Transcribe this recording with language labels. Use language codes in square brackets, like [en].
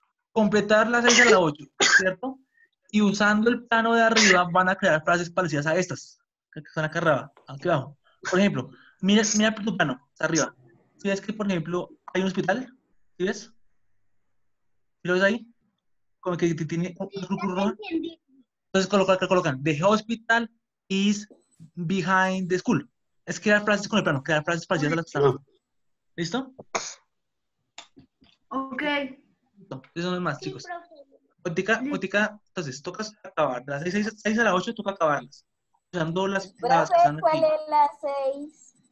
[es] Completar las 6 a la 8, ¿cierto? Y usando el plano de arriba van a crear frases parecidas a estas que están acá arriba, aquí abajo. Por ejemplo, mira tu plano, está arriba. ¿Sí ves que, por ejemplo, hay un hospital? ¿Sí ves? ¿Sí lo ves ahí? Como que tiene un grupo rojo. Entonces, colocan, [en] the hospital is behind the school. [es] Es crear frases con el plano, crear frases parecidas a las que están abajo. ¿Listo? Ok. No, eso no es más, sí, chicos. Otica, entonces, tocas acabar. Las 6 a la 8, toca acabarlas. Usando las... Profe, ¿cuál aquí. Es la 6?